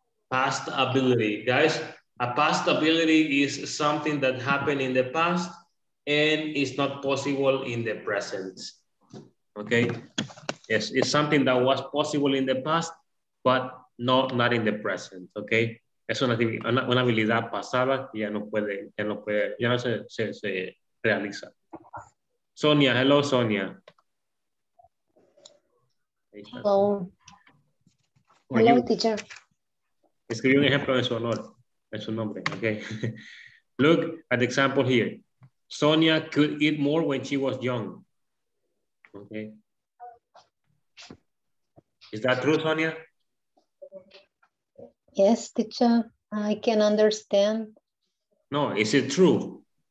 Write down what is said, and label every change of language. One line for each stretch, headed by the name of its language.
English: Past ability. Guys, a past ability is something that happened in the past and is not possible in the present, okay? Yes, it's something that was possible in the past, but not in the present, okay?
Spanish: Es una habilidad pasada que ya no puede, ya no se realiza.
English: Sonia, hello, Sonia. Hello. Hello, teacher.
Spanish: Escribí un ejemplo de su honor, de su nombre, okay?
English: Look at the example here. Sonia could eat more when she was young, okay? Is that true, Sonia? Yes, teacher. I can understand. No, is it true?